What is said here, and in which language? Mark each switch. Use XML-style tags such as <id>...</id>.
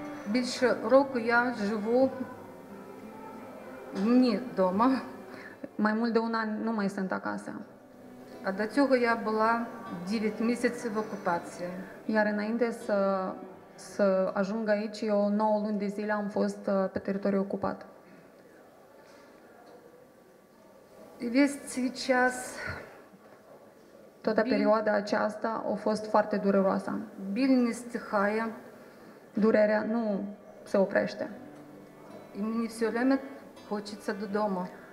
<uk>Більше року я живу не вдома.</uk> <ro>Mai mult de un an nu mai sunt acasă.</ro> <uk>А до цього я була 9 місяців в окупації.</uk> <ro>Iar înainte să ajung aici, eu 9 luni de zile am fost pe teritoriu ocupat.</ro> <uk>Весь час,</uk> <ro>toată perioada aceasta a fost foarte dureroasă.</ro> <uk>Біль не стихає,</uk> <ro>durerea nu se oprește.</ro> <uk>И мені все время хочеться додому.</uk>